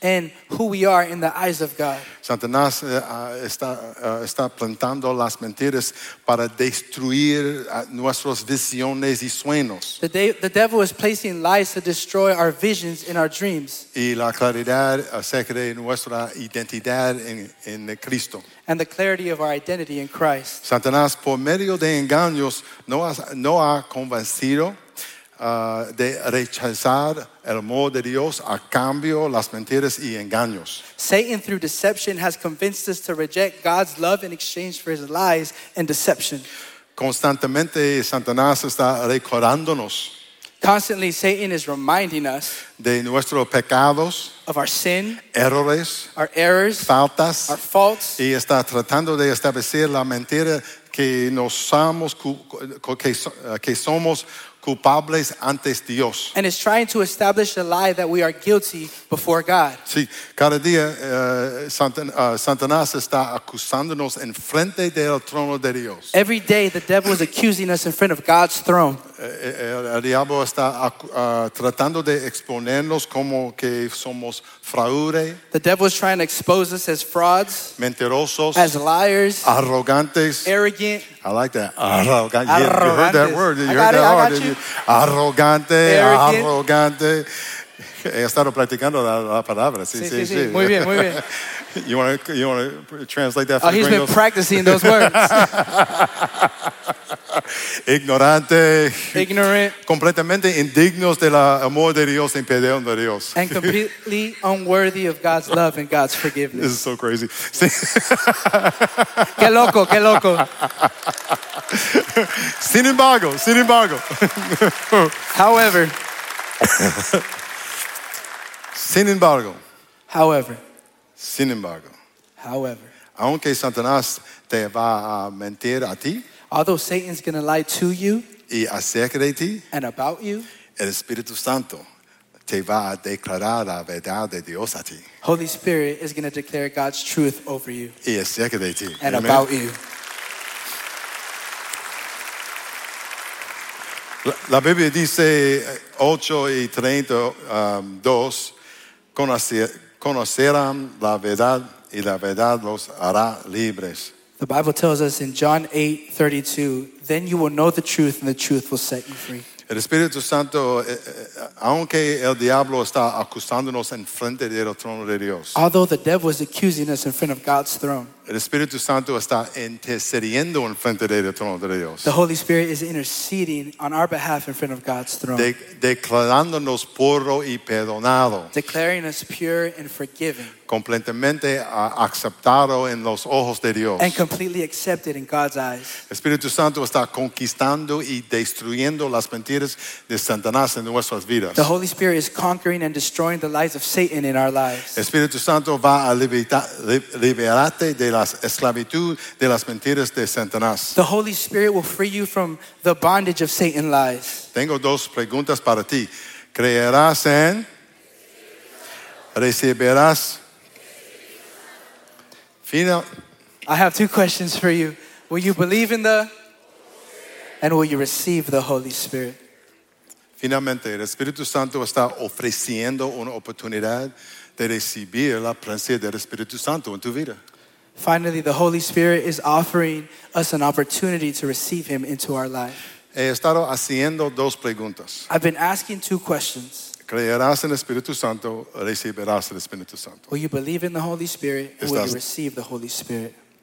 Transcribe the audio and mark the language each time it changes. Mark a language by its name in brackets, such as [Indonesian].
[English] And who we are in the eyes of God. [Spanish] Satanás está plantando las mentiras para destruir nuestras visiones y sueños. [English] The devil is placing lies to destroy our visions and our dreams. [Spanish] Y la claridad acerca de nuestra identidad en Cristo. [English] And the clarity of our identity in Christ. [Spanish] Satanás, por medio de engaños, no ha convencido de rechazar el amor de Dios a cambio las mentiras y engaños. [English] Satan, through deception, has convinced us to reject God's love in exchange for his lies and deception. [Spanish] Constantemente, Satanás está recordándonos. [English] Constantly, Satan is reminding us [Spanish] de nuestros pecados, [English] of our sin, [Spanish] errores, [English] our errors, [Spanish] faltas, [English] our faults, [Spanish] y está tratando de establecer la mentira que somos culpables ante Dios. [English] And is trying to establish a lie that we are guilty before God. [Spanish] Sí, cada día Satanás está acusándonos en frente del trono de Dios. [English] Every day the devil is accusing us in front of God's throne. [Spanish] El diablo está tratando de exponernos como que somos fraude. [English] The devil is trying to expose us as frauds, [Spanish] mentirosos, [English] as liars, [Spanish] arrogantes, [English] arrogant. I like that. Arrogant. You heard that word. You heard it, that word. You? [Spanish] Arrogante. [English] Arrogant. [Spanish] Arrogante. He estado practicando la palabra. Sí, sí, sí. Muy bien, muy bien. [English] You want to translate that for Gringos? He's been practicing those words. [Spanish] Ignorante. [English] Ignorant. [Spanish] Completamente indignos del amor de Dios y perdón de Dios. [English] And completely unworthy of God's love and God's forgiveness. This is so crazy. [Spanish] Sí. Qué loco, qué loco. Sin embargo. [English] However. [Spanish] Sin embargo. [English] However. [Spanish] Sin embargo. [English] However. [Spanish] Aunque Satanás te va a mentir a ti. [English] Although Satan's going to lie to you. [Spanish] Y acerca de ti. [English] And about you. [Spanish] El Espíritu Santo te va a declarar la verdad de Dios a ti. [English] Holy Spirit is going to declare God's truth over you. [Spanish] Y acerca de ti. [English] And Amen. About you. [Spanish] La Biblia dice 8:32. Conocerán la verdad y la verdad los hará libres. [English] The Bible tells us in John 8:32, then you will know the truth and the truth will set you free. [Spanish] El Espíritu Santo, aunque el diablo está acusándonos en frente del trono de Dios. [English] Although the devil is accusing us in front of God's throne. [Spanish] El Espíritu Santo está intercediendo en frente del trono de Dios. [English] The Holy Spirit is interceding on our behalf in front of God's throne. [Spanish] Declarándonos puro y perdonado. [English] Declaring us pure and forgiven. [Spanish] Completamente aceptado en los ojos de Dios. [English] And completely accepted in God's eyes. [Spanish] El Espíritu Santo está conquistando y destruyendo las mentiras de Satanás en nuestras vidas. [English] The Holy Spirit is conquering and destroying the lies of Satan in our lives. [Spanish] El Espíritu Santo va a liberarte de la esclavitud de las mentiras de Satanás. [English] The Holy Spirit will free you from the bondage of Satan's lies. [Spanish] Tengo dos preguntas para ti. ¿Creerás en? ¿Recibirás? [English] I have two questions for you. Will you believe in the? And will you receive the Holy Spirit? [Spanish] Finalmente, el Espíritu Santo está ofreciendo una oportunidad de recibir la presencia del Espíritu Santo en tu vida. [English] Finally, the Holy Spirit is offering us an opportunity to receive him into our life. [Spanish] He estado haciendo dos preguntas. [English] I've been asking two questions. [Spanish] ¿Creerás en el Espíritu Santo? ¿Recibirás el Espíritu Santo? [English] Will you believe in the Holy Spirit? Will you receive the Holy Spirit?